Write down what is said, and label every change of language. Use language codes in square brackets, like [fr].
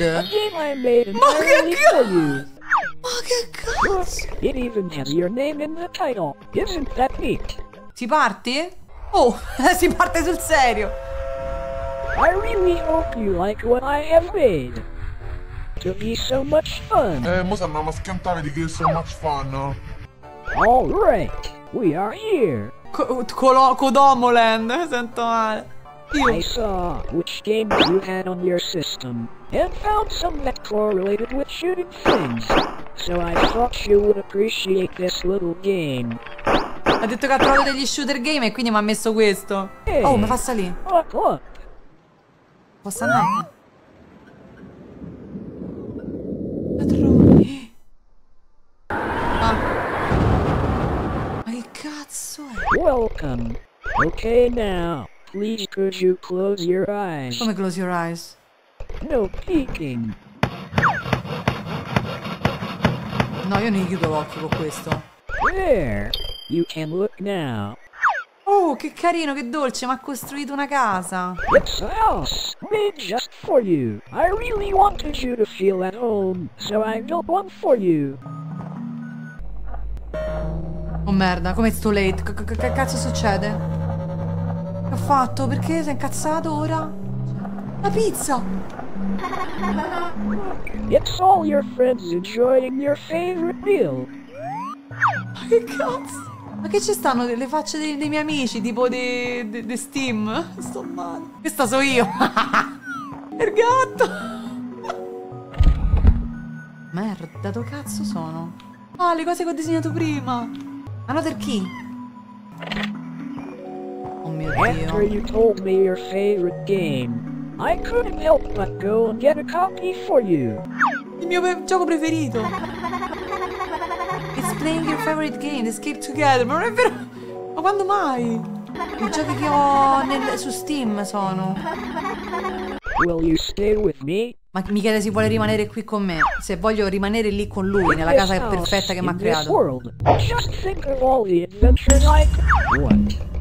[en] A game I made entirely for you. [it] Ma che cazzo? [en] It even has your name in the title. Isn't that neat? [it] Si parte? Oh, si parte sul serio. [en] I really hope you like what I have made. To be so much fun. [it] Mo sembra una schiantare di che è [en] so much fun. Alright, we are here. [it] Kodomoland, sento male. [en] I saw which game you had on your system, and found some that correlated with shooting things. So I thought you would appreciate this little game. [it] Ha detto che ha trovato degli shooter game e quindi mi ha messo questo. [en] Hey, [it] oh, mi fa salire. [en] Look, look. [it] Posso andare? Padroni. Ma che cazzo è? [en] Welcome. Okay now. Please could you close your eyes? Come close your eyes? No peeking. [it] No, io non chiudo l'occhio con questo. [en] There. You can look now. [it] Oh, che carino, che dolce, mi ha costruito una casa. [en] It's a house, made just for you. I really wanted you to feel at home, so I built one for you. [it] Oh merda, come [en] it's too late? [it] Che cazzo succede? Che ha fatto? Perché sei incazzato ora? La pizza! [en] It's all your friends enjoying your favorite meal. [it] Ma che cazzo? Ma che ci stanno le facce dei miei amici, tipo di Steam? Sto male. Questa so io. Il gatto. Merda, dove cazzo sono? Ah, le cose che ho disegnato prima. [en] Another key. [it] Oh mio Dio. [en] After you told me your favorite game, I couldn't help but go and get a copy for you. [it] Il mio gioco preferito. [en] It's playing your favorite game, Escape Together, [it] ma non è vero! Ma quando mai? I giochi che ho su Steam sono. [en] Will you stay with me? [it] Ma mi chiede se vuole rimanere qui con me. Se voglio rimanere lì con lui, nella casa perfetta che mi ha creato. [en] Just think of all the adventures I could.